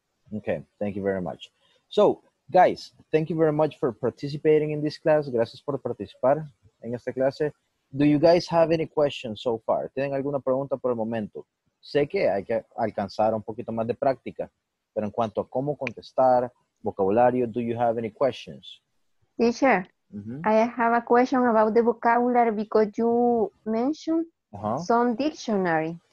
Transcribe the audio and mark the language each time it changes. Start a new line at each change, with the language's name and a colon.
English: Okay, thank you very much. So, guys, thank you very much for participating in this class.
Spanish: Gracias por participar en esta clase.
English: Do you guys have any questions so far?
Spanish: ¿Tienen alguna pregunta por el momento? Sé que hay que alcanzar un poquito más de práctica. Pero en cuanto a cómo contestar, vocabulario,
English: do you have any questions? Teacher, mm-hmm. I have a question about the vocabulary because you mentioned some dictionary.